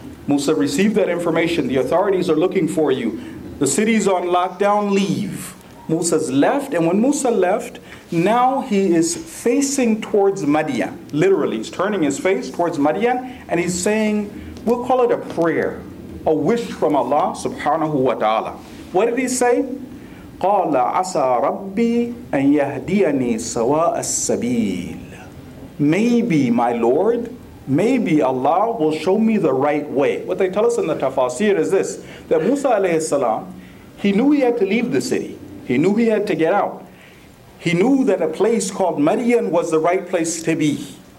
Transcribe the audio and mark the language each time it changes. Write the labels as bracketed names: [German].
[English] Musa received that information. The authorities are looking for you. The city's on lockdown, leave. Musa's left, and when Musa left, now he is facing towards Madian. Literally, he's turning his face towards Madian, and he's saying, we'll call it a prayer, a wish from Allah subhanahu wa ta'ala. What did he say? [Arabic] قَالَ عَسَى رَبِّي أَن يَهْدِيَنِي سَوَاءَ السَّبِيلِ. [English] Maybe, my Lord, maybe Allah will show me the right way. What they tell us in the tafasir is this, that Musa alayhi salam, he knew he had to leave the city. He knew he had to get out. He knew that a place called Madian was the right place to be.